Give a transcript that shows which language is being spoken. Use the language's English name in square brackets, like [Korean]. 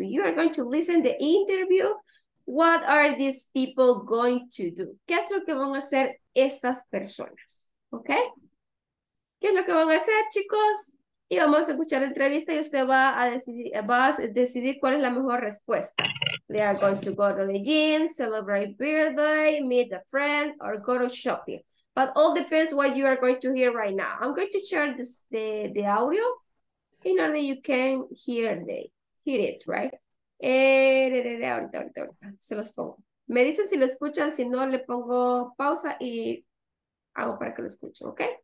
[English] You are going to listen to the interview. What are these people going to do? [Spanish] ¿Qué es lo que van a hacer estas personas? Okay? ¿Qué es lo que van a hacer, chicos? y vamos a escuchar la entrevista y usted va a decidir, cuál es la mejor respuesta. [English] They are going to go to the gym, celebrate birthday, meet a friend, or go to shopping. But all depends what you are going to hear right now. I'm going to share this, the audio in order you can hear it, right? [Spanish] Se los pongo. Me dice si lo escuchan, si no, le pongo pausa y hago para que lo escuchen, ¿ok?